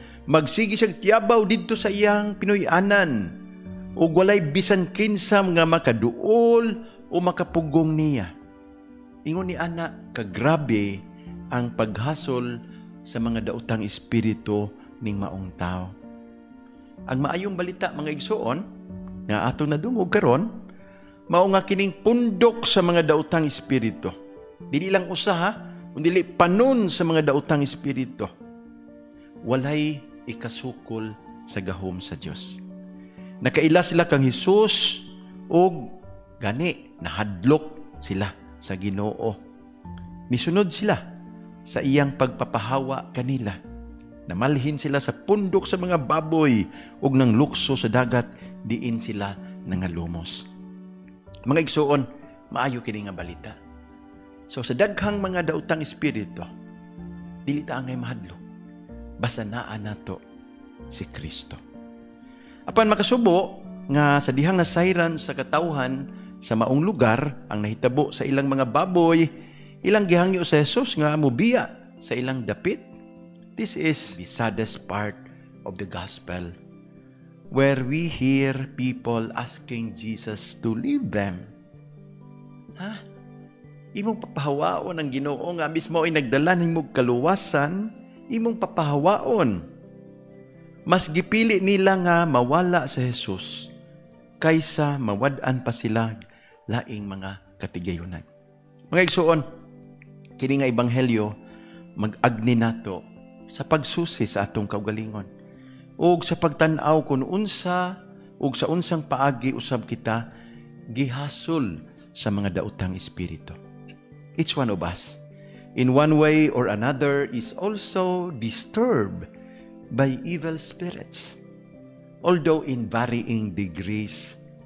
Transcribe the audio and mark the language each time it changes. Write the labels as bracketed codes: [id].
[ceb] Magsigi siya tiyabaw dito sa iyang Pinoyanan. O walay bisan kinsam nga makaduol o makapugong niya. Ingon ni Ana, kagrabe ang paghasol sa mga daotang espiritu ning maong tao. Ang maayong balita mga igsuon nga ato nadungog karon, mao nga kining pundok sa mga daotang espiritu. Dili lang usa ha, dili panun sa mga dautang espiritu, walay ikasukol sa gahom sa Dios. Nakaila sila kang Hesus og gani nahadlok sila sa Ginoo. Nisunod sila sa iyang pagpapahawa kanila. Namalhin sila sa pundok sa mga baboy ug nang lukso sa dagat, diin sila nangalumos. Mga igsuon, maayo kini nga balita. So sa daghang mga dautang espiritu, dili ta angay mahadlo. Basta naa nato si Kristo. Apan makasubo nga sa dihang nasayran sa katawhan sa maong lugar ang nahitabo sa ilang mga baboy, ilang gihangyo sa Jesus nga mubiya sa ilang dapit. [en] This is the saddest part of the gospel, where we hear people asking Jesus to leave them. [ceb] Ha? Imong papahawaon ang Ginoo nga mismo ay nagdala nimo kaluwasan, imong papahawaon. Mas gipili nila nga mawala sa Jesus kaysa mawad-an pa sila laing mga katigayunan. Mga igsuon, kini nga ebanghelyo mag-agni nato sa pagsusi sa atong kaugalingon ug sa pagtan-aw kung unsa ug sa unsang paagi usab kita gihasol sa mga dautang espiritu. [en] Each one of us, in one way or another, is also disturbed by evil spirits, although in varying degrees.